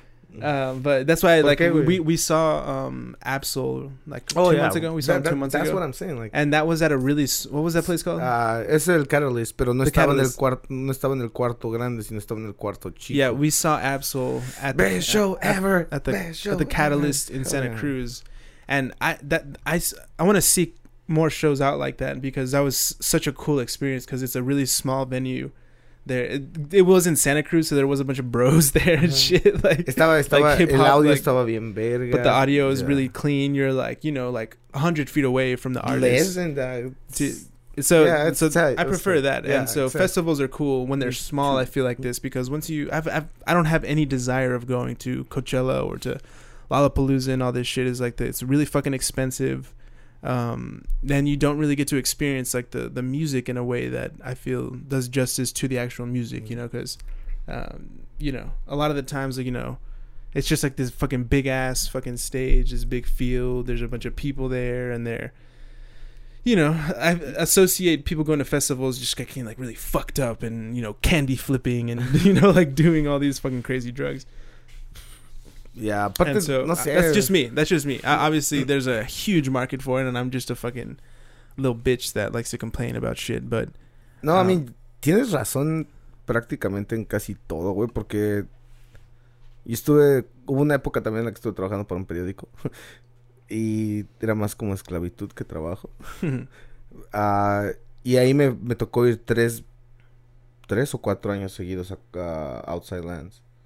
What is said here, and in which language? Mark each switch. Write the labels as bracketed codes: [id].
[en] but that's why, like, we saw Absol like two months ago. We saw him 2 months that's ago. That's what I'm saying. Like, and that was at a really what was that place called? [es] Es el Catalyst, pero no estaba en el cuarto. No estaba en el cuarto grande, sino estaba en el cuarto chico. [en] Yeah, we saw Absol at best the show at, ever at the best show at the Catalyst ever. In Santa Cruz, and I want to seek more shows out like that because that was such a cool experience because it's a really small venue. There it was in Santa Cruz, so there was a bunch of bros there and shit. Like, [es] estaba like el audio like, estaba bien verga, [en] but the audio is really clean. You're like, you know, like 100 feet away from the artist. I prefer that. Yeah, and so festivals are cool when they're small. I feel like this because once you, I don't have any desire of going to Coachella or to Lollapalooza and all this shit. Is like the, it's really fucking expensive. Then you don't really get to experience like the music in a way that I feel does justice to the actual music, you know, because, you know, a lot of the times, like, you know, it's just like this fucking big ass fucking stage, this big field. There's a bunch of people there and they're, you know, I associate people going to festivals just getting like really fucked up and, you know, candy flipping and, you know, like doing all these fucking crazy drugs. Yeah, but so, [es] no sé. [en] That's just me. That's just me. Obviously, there's a huge market for it, and I'm just a fucking little bitch that likes to complain about shit. But [es] no, [en] I mean, [es] tienes razón prácticamente en casi todo, güey, porque yo estuve, hubo una época también en la que estuve trabajando para un periódico y era más como esclavitud que trabajo. y ahí me tocó ir tres o cuatro años seguidos a Outside Lands.